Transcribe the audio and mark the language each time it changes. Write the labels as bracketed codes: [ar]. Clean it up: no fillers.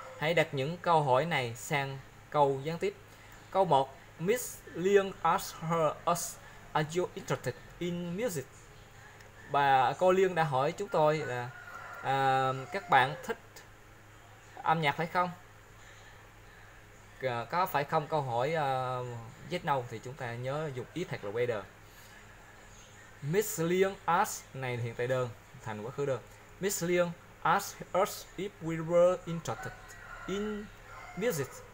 [vi] Hãy đặt những câu hỏi này sang câu gián tiếp. Câu 1. [en] Miss Liên asked us, are you interested in music? [vi] Bà cô Liên đã hỏi chúng tôi là các bạn thích âm nhạc phải không? Có phải không câu hỏi yes no thì chúng ta nhớ dùng if hoặc là whether. [en] Miss Liên asked, [vi] này hiện tại đơn thành quá khứ đơn. [en] Miss Liên asked us if we were interested in music.